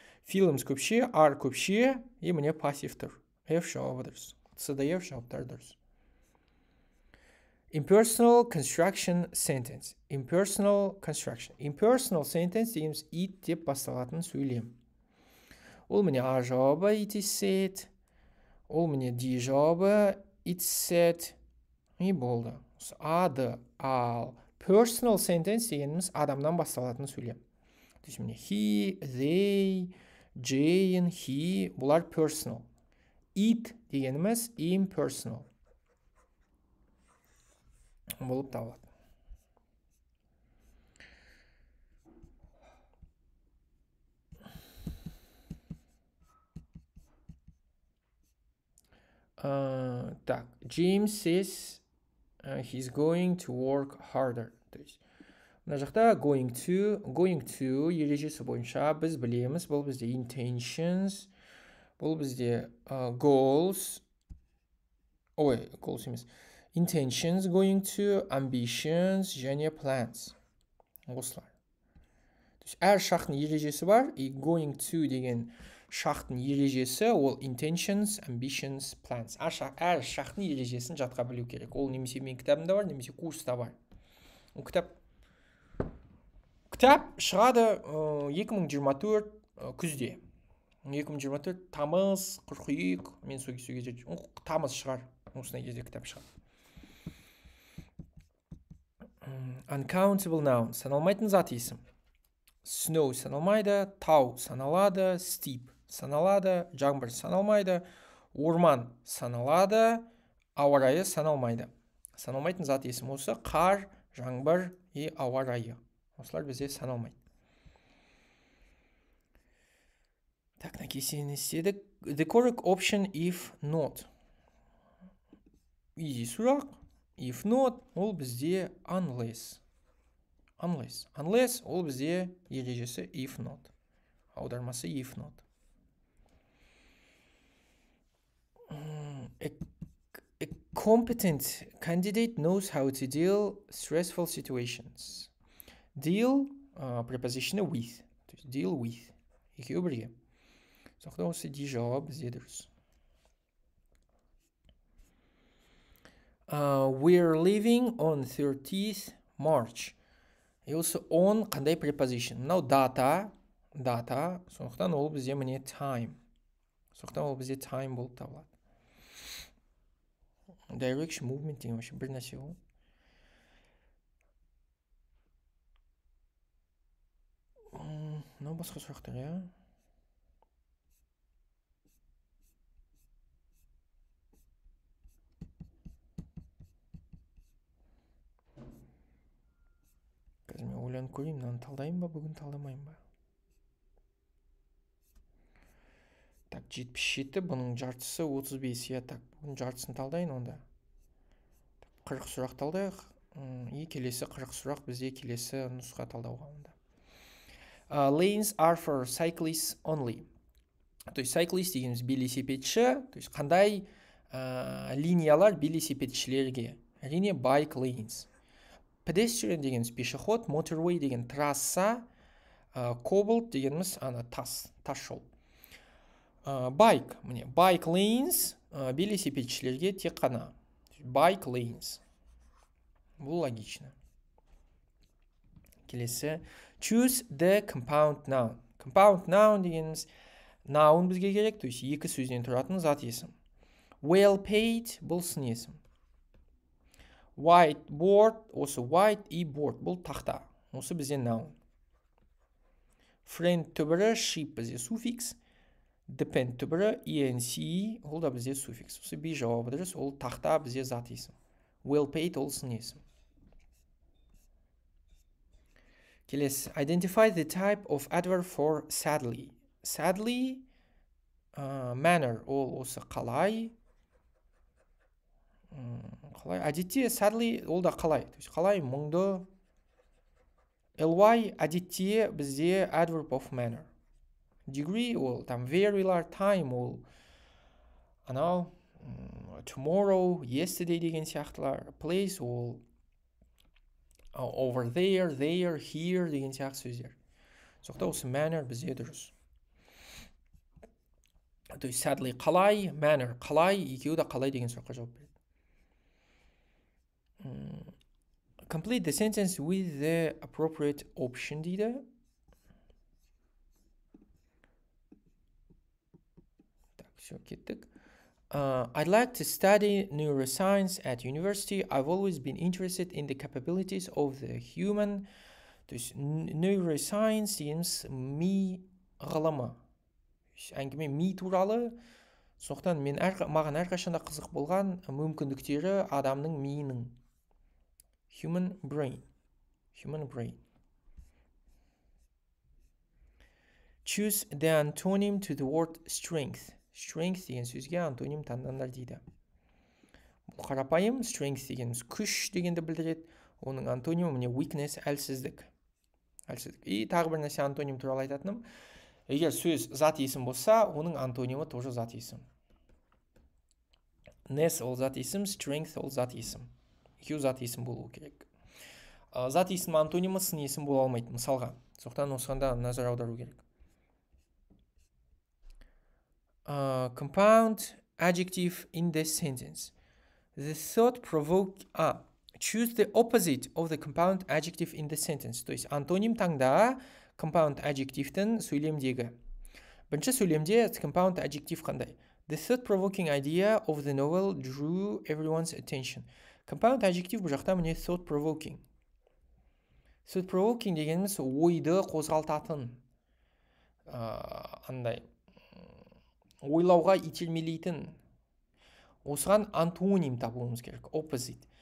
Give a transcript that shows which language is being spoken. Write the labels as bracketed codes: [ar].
[kk] Филмс көпше, ар көпше. И міне пассив тұр. F жауап дұрыс. Сыда F жауап дұрыс. [en] Impersonal construction sentence. Impersonal construction. Impersonal sentence [kk] дейміз it деп басталатын сөйлем. Ол мене A жауабы [en] it is said. [kk] Ол мене D жауабы it is said. И болды. A, D, A. [en] Personal sentence [kk] дейміз адамдан басталатын сөйлем. Десі мене [en] he, they, Jane, he. [kk] Бұлар personal. It дегеніміз impersonal. Болып табылады. [en] Так, James says He's going to work harder. [kk] То есть мына жақта going to ережесі бойынша біз білеміз, бұл бізде intentions, бұл бізде goals. Ой, goals емес. [en] Intentions, going to, ambitions [kk] және [en] plans. [kk] Осылай. То есть әр шақтың ережесі бар, и going to деген шақтың ережесі ол intentions, ambitions, plans. Әр шақтың ережесін жатқа білу керек. Ол немесе мен кітабымда бар, немесе курста бар. Ол кітап шығады 2024 күзде. 2024 тамыз, қыркүйек, мен сөйлесуге жетті. Тамыз шығар. Осындай кезде кітап шығады. Uncountable noun. Саналмайтын зат есім. Snow саналмайды, тау саналады, steep саналады, жаңбыр саналмайды, орман саналады, ауа райы саналмайды. Саналмайтын зат есім осы қар, жаңбыр и ауа райы. Осылар бізде саналмайды. Так, накесені істедік. [en] The correct option if not. Easy [kk] сұрақ. [en] If not, [kk] ол бізде [en] unless. Unless. [kk] Unless ол бізде ережесі [en] if not. [kk] Аудармасы [en] if not. A competent candidate knows how to deal stressful situations. Deal preposition with. [kk] То есть deal with. Екеу бірге. Сонда осы де жауап бізде дұрыс. [en] We're leaving on 30th March. [kk] И осы on қандай preposition? [en] Мынау data. Data. [kk] Сондықтан ол бізде міне time. Сондықтан ол бізде time болып табылады. Direction, movement деген вообще бір нәрсе ғой. Мынау басқа сұрақтар иә. Қазір мен ойланып көрейін, мынаны талдайын ба, бүгін талдамайын ба. Так, 77, бұның жартысы 35, иә, так, бүгін жартысын талдайын онда. 40 сұрақ талдайық, и келесі 40 сұрақ бізде келесі нұсқа талдауға онда. [en] Lanes are for cyclists only. [kk] То есть cyclists дегеніміз велосипедші, то есть қандай линиялар велосипедшілерге. Әрине [en] bike lanes. [kk] Pedestrian дегеніміз пешеход, motorway деген трасса, cobbled дегеніміз ана тас жол. Bike, міне, bike lanes велосипедшілерге тек қана. [en] Bike lanes. [kk] Бұл логично. Келесі. [en] Choose the compound noun. [kk] Compound noun дегеніміз, noun бізге керек, то есть екі сөзден тұратын зат есім. [en] Well paid [kk] болсын есім. [en] White board, [kk] осы white и board, бұл тақта. Осы бізде noun. Friend түбірі, ship бізде суффикс. Depend түбірі, ENC, ол да бізде суффикс. Осы бей жауабы дұрыс, ол тақта бізде зат есім. Well paid олсын есім. Келес, [en] identify the type of adverb for sadly. [kk] Sadly, manner, ол осы қалай. Қалай, әдетте sadly, ол да қалай. Қалай, мұңды. [en] LY, [kk] әдетте бізде [en] adverb of manner. [kk] Degree, ол там [en] very large time, [kk] ол анау, tomorrow, yesterday деген сияқтылар, place, ол [en] over there, [kk] here деген сияқты сөздер. Сонда осы manner бізде дұрыс. То есть sadly қалай, manner қалай, екеу да қалай деген сұраққа жауап береді. [en] Complete the sentence with the appropriate option [kk] дейді. Кеттік. [en] I'd like to study neuroscience at university. I've always been interested in the capabilities of the human. [kk] То есть neuroscience дейміз ми ғылымы. Әңгіме ми туралы. Сондықтан мен маған әрқашанда қызық болған мүмкіндіктері адамның миының. [en] Human brain. Human brain. Choose the antonym to the word strength. Strength [kk] деген сөзге антоним таңдандар дейді. қарапайым, strength дегеніміз күш дегенді білдіреді. Оның антонимі міне weakness, әлсіздік. Әлсіздік. И тағы бір нәрсе антоним туралы айтатыным. Егер сөз зат есім болса, оның антонимі тоже зат есім. Ness ол зат есім, strength ол зат есім. Екеу зат есім болуы керек. Зат есім антонимі сын есім бола алмайды, мысалға. Сондықтан осыған да назар аудару керек. [en] Compound adjective in this sentence. The thought provoke... Choose the opposite of the compound adjective in the sentence. [kk] То есть, антоним таңда [en] compound adjective-тің [kk] сөйлемдегі. Бірінші сөйлемде compound adjective қандай? [en] The thought-provoking idea of the novel drew everyone's attention. [kk] Compound adjective бұл жақта міне [en] thought-provoking. [kk] Thought-provoking дегеніміз ойды қозғалтатын. Андай. Ойлауға итермелейтін. Осыған антоним табуымыз керек. [en] Opposite.